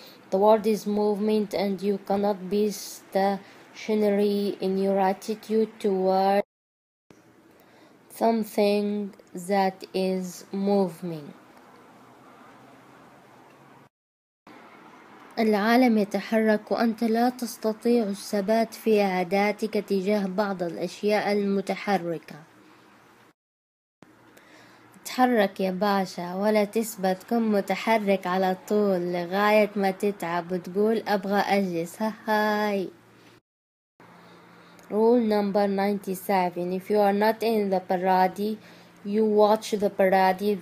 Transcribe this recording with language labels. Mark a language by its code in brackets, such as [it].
[en] The world is movement and you cannot be stationary in your attitude towards something that is moving. [ar] العالم يتحرك وأنت لا تستطيع الثبات في عاداتك تجاه بعض الأشياء المتحركة. تحرك يا باشا ولا تثبت. كن متحرك على طول لغاية ما تتعب وتقول أبغى أجلس. هاي [en] Rule number 97. If you are not in the parade, you watch the parade.